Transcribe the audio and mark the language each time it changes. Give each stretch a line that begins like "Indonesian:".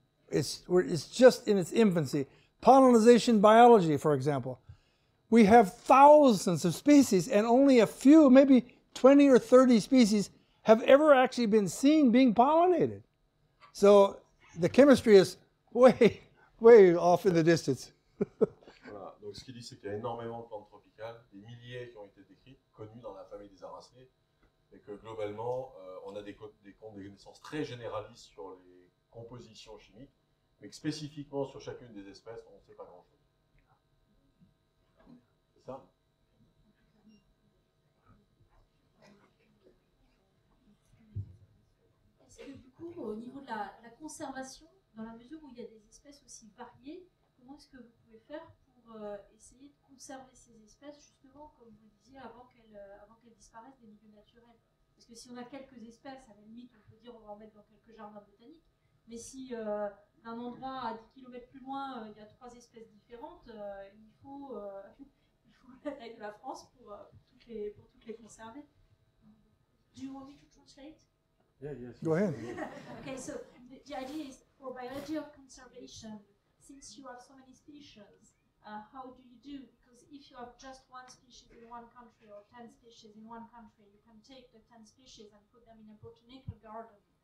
English: It's just in its infancy. Pollinization biology, for example. We have thousands of species, and only a few, maybe 20 or 30 species, have ever actually been seen being pollinated. So the chemistry is way, way off in the distance.
French: Voilà. Donc ce qu'il dit, c'est qu'il y a énormément de plantes tropicales, des milliers qui ont été décrites, connues dans la famille des aracées, et que globalement, on a des connaissances très généralistes sur les composition chimique, mais que spécifiquement sur chacune des espèces, on ne sait pas grand-chose. C'est ça? Est-ce que du coup, au niveau de la conservation, dans la mesure où il y a des espèces aussi variées, comment est-ce que vous pouvez faire pour essayer de conserver ces espèces, justement, comme vous disiez, avant qu'elles disparaissent des milieux naturels? Parce que si on a quelques espèces, à la limite, on peut dire on va en mettre dans quelques jardins botaniques. Mais si d'un endroit à 10 km plus loin, il y a trois espèces différentes, il faut la taille de la France pour toutes les conserver.
English: Do you want me to translate? Yeah, yes. Go ahead. Okay, so the idea is for biology of conservation, since you have so many species, how do you do? Because if you have just one species in one country or 10 species in one country, you can take the 10 species and put them in a botanical garden.